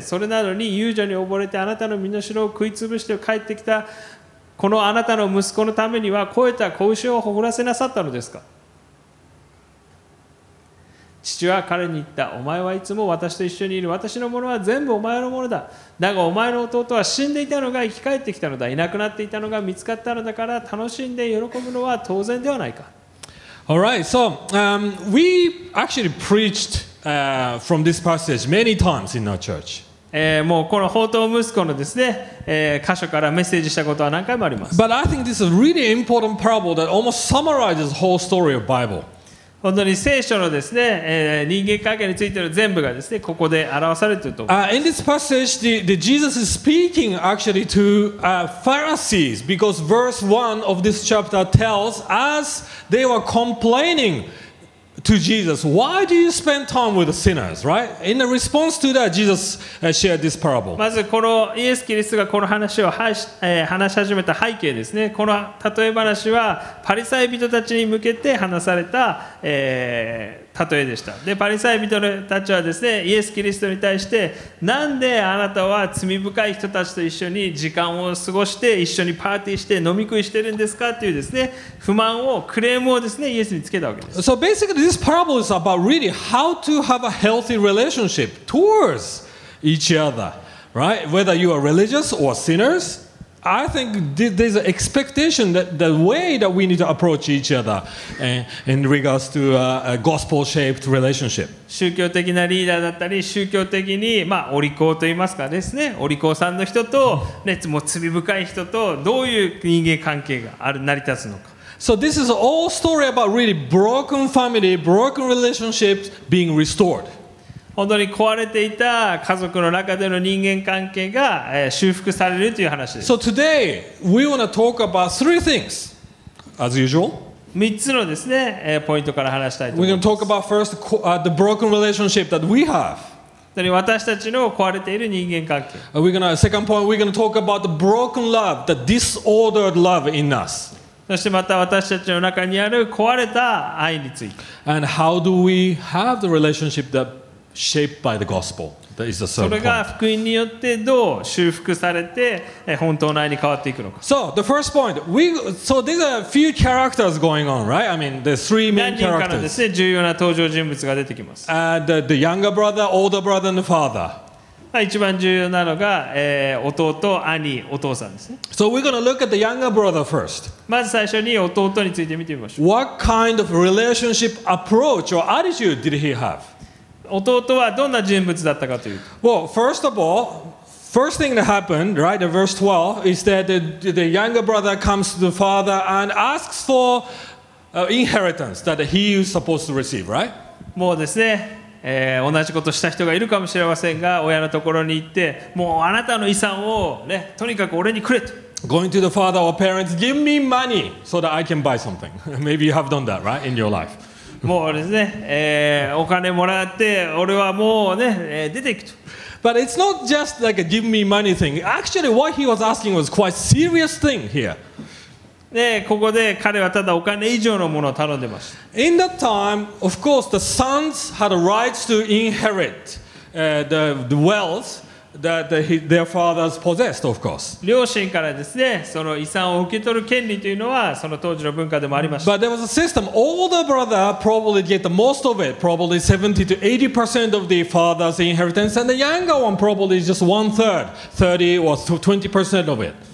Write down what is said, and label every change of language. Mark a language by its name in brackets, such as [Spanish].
[Japanese] それなのに遊女に溺れてあなたの身の代を食いつぶして帰ってきたこのあなたの息子のためには肥えた子牛をほぐらせなさったのですか。父は彼に言った。お前はいつも私と一緒にいる。私のものは全部お前のものだ。だがお前の弟は死んでいたのが生き返ってきたのだ。いなくなっていたのが見つかったのだから、楽しんで喜ぶのは当然ではないか。 [English] All right, so, we actually preached, from this passage many times in our church. [Japanese] もうこの放蕩息子のですね、箇所からメッセージしたことは何回もあります。 [English] But I think this is a really important parable that almost summarizes the whole story of the Bible. [Japanese] 本当に聖書のですね、人間関係についての全部がですね、ここで表されていると思います。 [English] In this passage, the Jesus is speaking actually to Pharisees, because verse 1 of this chapter tells, as they were complaining to Jesus, why do you spend time with the sinners, right? In the response to that, Jesus shared this parable. [Japanese] まずこのイエス・キリストがこの話を話し始めた背景ですね。この例え話はパリサイ人たちに向けて話された、例えでした。で、パリサイ人たちはですね、イエス・キリストに対して、なんであなたは罪深い人たちと一緒に時間を過ごして、一緒にパーティーして飲み食いしてるんですかというですね、不満を、クレームをですね、イエスにつけたわけです。 [English] So basically this parable is about really how to have a healthy relationship towards each other, right? Whether you are religious or sinners, I think there's an expectation that the way that we need to approach each other in regards to a gospel-shaped relationship. [Japanese] 宗教的なリーダーだったり、宗教的に、まあ、お利口と言いますかですね、お利口さんの人と、ね、もう罪深い人とどういう人間関係がある成り立つのか。 [English] So this is all story about really broken family, broken relationships being restored. [Japanese] 本当に壊れていた家族の中での人間関係が修復されるという話です。 [English] So today we want to talk about three things, as usual. [Japanese] 三つのですね、ポイントから話したいと思います。 [English] We're going to talk about first the broken relationship that we have. [Japanese] 本当に私たちの壊れている人間関係。 [English] Second point, we're going to talk about the broken love, the disordered love in us. [Japanese] そしてまた私たちの中にある壊れた愛について。 [English] And how do we have the relationship that shaped by the gospel? That is the third point. [Japanese] それが福音によってどう修復されて本当の愛に変わっていくのか。 [English] So the first point, so there's a few characters going on, right? I mean, there's three main characters. [Japanese] 何人かのですね、重要な登場人物が出てきます。 [English] The younger brother, older brother, and the father. [Japanese] 一番重要なのが、弟、兄、お父さんですね。 [English] So we're going to look at the younger brother first. [Japanese] まず最初に弟について見てみましょう。 [English] What kind of relationship approach or attitude did he have? [Japanese] 弟はどんな人物だったかというと。 [English] Well, first of all, first thing that happened, right, in verse 12, is that the younger brother comes to the father and asks for inheritance that he is supposed to receive, right? [Japanese] もうですね。同じことした人がいるかもしれませんが、親のところに行って、もうあなたの遺産をね、とにかく俺にくれと。 [English] Going to the father or parents, give me money so that I can buy something. Maybe you have done that, right, in your life. [Japanese] もうですね、お金もらって、俺はもうね、出ていくと。 [English] But it's not just like a give me money thing. Actually, what he was asking was quite serious thing here. [Japanese] でここで彼はただお金以上のものを頼んでました。 [English] In that time, of course, the sons had a right to inherit the wealth that their fathers possessed, of course. [Japanese] 両親からですね、その遺産を受け取る権利というのはその当時の文化でもありました。 [English] But there was a system. Older brother probably get the most of it, probably 70 to 80% of the father's inheritance, and the younger one probably just one third, 30 or 20% of it.